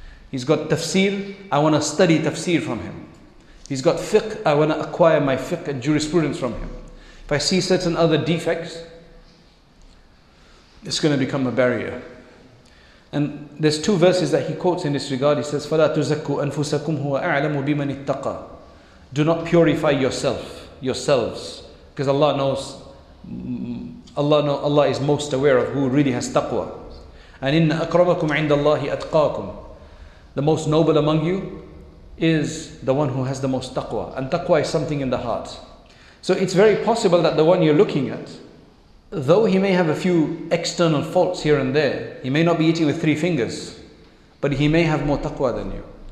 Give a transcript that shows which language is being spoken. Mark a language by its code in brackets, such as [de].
[en] He's got tafsir, I want to study tafsir from him. He's got fiqh, I want to acquire my fiqh and jurisprudence from him. If I see certain other defects, it's going to become a barrier. And there's two verses that he quotes in this regard. He says, [ar] فَلَا تُزَكُّوا أَنفُسَكُمْ هُوَ أَعْلَمُ بِمَنِ اتَّقَى. [en] Do not purify yourselves. Because Allah knows, Allah is most aware of who really has taqwa. [ar] And إِنَّ أَكْرَمَكُمْ عِنْدَ اللَّهِ أَتْقَاكُمْ. [en] The most noble among you is the one who has the most taqwa. And taqwa is something in the heart. So it's very possible that the one you're looking at, though he may have a few external faults here and there, he may not be eating with three fingers, but he may have more taqwa than you.